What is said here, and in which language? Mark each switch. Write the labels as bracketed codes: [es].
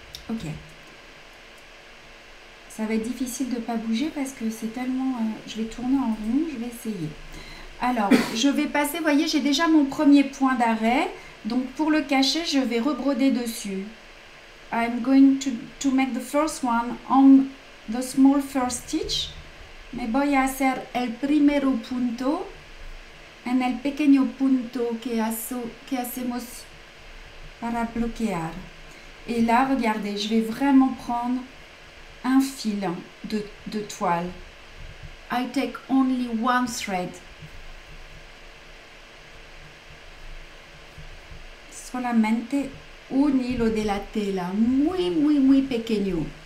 [fr] Ok. Ça va être difficile de ne pas bouger parce que c'est tellement. Je vais tourner en rond, je vais essayer. Alors, je vais passer, voyez, j'ai déjà mon premier point d'arrêt. Donc pour le cacher, je vais rebroder dessus. [en] I'm going to make the first one on the small first stitch. [es] Me voy a hacer el primero punto en el pequeño punto que hacemos para bloquear. [fr] Et là, regardez, je vais vraiment prendre un fil de toile. [en] I take only one thread. [es] Solamente un hilo de la tela. Muy pequeño.